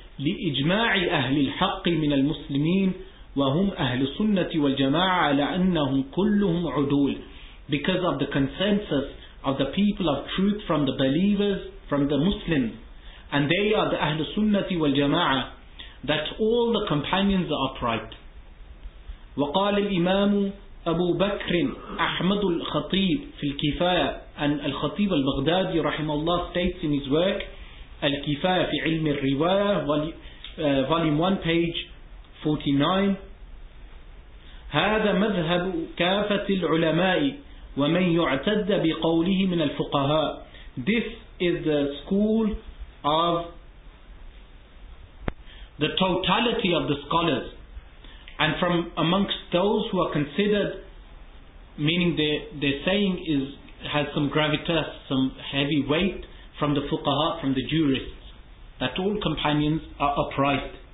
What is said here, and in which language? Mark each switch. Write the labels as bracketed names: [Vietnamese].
[Arabic] لِإِجْمَاعِ أَهْلِ الْحَقِّ مِنَ الْمُسْلِمِينَ وَهُمْ أَهْلُ سُنَّةِ وَالْجَمَاعَةِ لَأَنَّهُمْ كُلُّهُمْ عُدُولٌ. [English] Because of the consensus of the people of truth from the believers, from the Muslims, and they are the [Arabic] أَهْلُ سُنَّةِ وَالْجَمَاعَةِ, [English] that all the companions are upright. [Arabic] وَقَالَ الْإِمَامُ أبو بكر أحمد الخطيب في الكفاية. [English] And الخطيب البغدادي [Arabic] رحمه الله [English] states in his work الكفاية في علم الرواية, volume 1 page 49, [Arabic] هذا مذهب كافة العلماء ومن يعتد بقوله من الفقهاء. [English] This is the school of the totality of the scholars, and from amongst those who are considered, meaning their saying is has some gravitas, some heavy weight, from the fuqaha, from the jurists, that all companions are upright.